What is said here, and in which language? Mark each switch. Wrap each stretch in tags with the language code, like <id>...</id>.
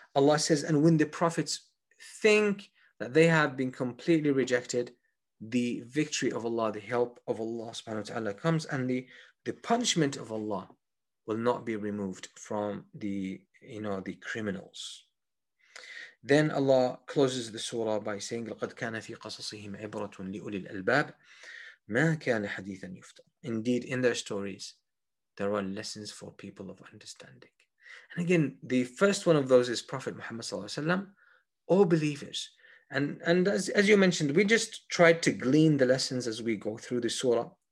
<en>Allah says, and when the prophets think that they have been completely rejected, the victory of Allah, the help of Allah subhanahu wa ta'ala comes, and the punishment of Allah will not be removed from the criminals. Then Allah closes the surah by saying,</en> <ar>لَقَدْ كَانَ فِي قَصَصِهِمْ عِبْرَةٌ لِأُولِي الْأَلْبَابِ مَا كَانَ حَدِيثًا يُفْتَى.</ar> <en>Indeed, in their stories, there are lessons for people of understanding. And again, the first one of those is Prophet Muhammad sallallahu alaihi wasallam. All believers. And as you mentioned, we just tried to glean the lessons as we go through the surah.</en>